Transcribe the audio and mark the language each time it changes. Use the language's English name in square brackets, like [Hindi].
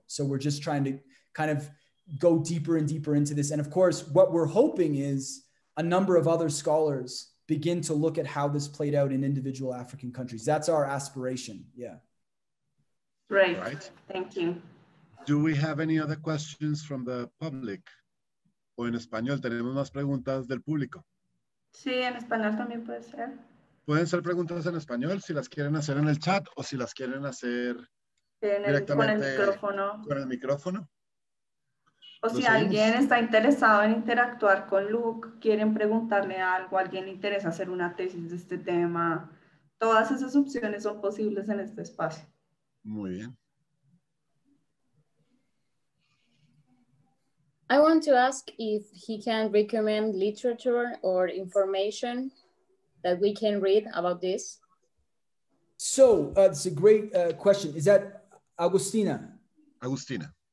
[English] So we're just trying to kind of go deeper and deeper into this. And of course, what we're hoping is a number of other scholars begin to look at how this played out in individual African countries. That's our aspiration, yeah. Great, right. Thank you. Do we have any other questions from the public? [Spanish] O en español, tenemos más preguntas del público. Sí, en español también puede ser. Pueden ser preguntas en español si las quieren hacer en el chat o si las quieren hacer directamente con el micrófono. Con el micrófono. O si alguien está interesado en interactuar con Luke, quieren preguntarle algo, alguien le interesa hacer una tesis de este tema, todas esas opciones son posibles en este espacio. Muy bien. [English] I want to ask if he can recommend literature or information that we can read about this. So, it's a great question. Is that Agustina? Agustina.